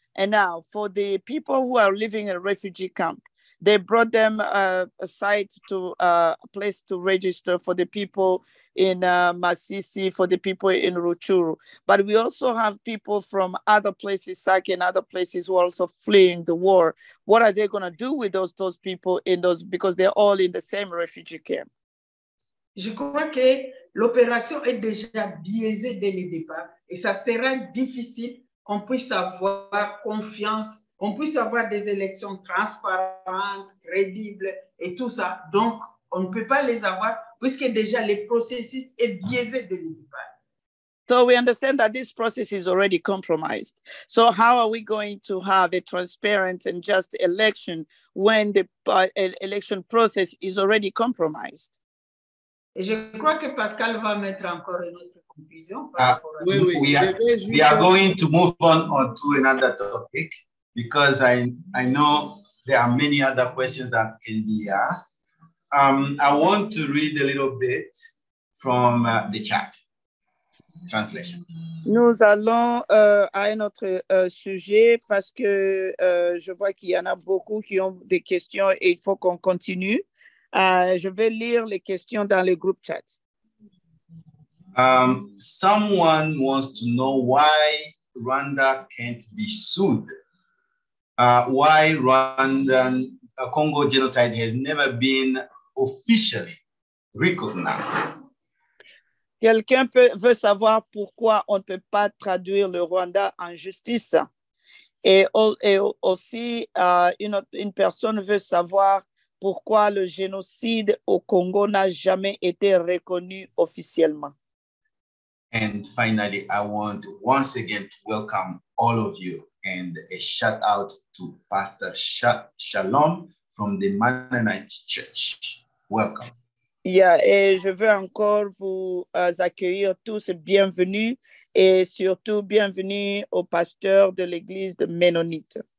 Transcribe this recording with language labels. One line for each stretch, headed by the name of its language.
English: And now for the people who are living in a refugee camp, they brought them a site to a place to register for the people in Masisi, for the people in Rutshuru. But we also have people from other places, Sake and other places who are also fleeing the war. What are they gonna do with those people in those, because they're all in the same refugee camp?
French: Je crois que l'opération est déjà biaisée dès le départ et ça sera difficile qu'on puisse avoir confiance, qu'on puisse avoir des élections transparentes, crédibles et tout ça. Donc, on ne peut pas les avoir puisque déjà le processus est biaisé dès le départ.
English: So we understand that this process is already compromised. So how are we going to have a transparent and just election when the election process is already compromised?
French: Et je crois que Pascal va mettre encore une autre conclusion.
English: We are going to move on to another topic because I know there are many other questions that can be asked. I want to read a little bit from the chat translation.
French: Nous allons à un autre sujet parce que je vois qu'il y en a beaucoup qui ont des questions et il faut qu'on continue. Je vais lire les questions dans le groupe chat.
English: Someone wants to know why Rwanda can't be sued. Why Rwandan Congo genocide has never been officially recognized.
French: Quelqu'un veut savoir pourquoi on ne peut pas traduire le Rwanda en justice. Et aussi, une personne veut savoir pourquoi le génocide au Congo n'a jamais été reconnu officiellement.
English: And finally, I want once again to welcome all of you and a shout out to Pastor Shalom from the Mennonite Church. Welcome.
French: Yeah, et je veux encore vous accueillir tous, bienvenue et surtout bienvenue au pasteur de l'église de Mennonite.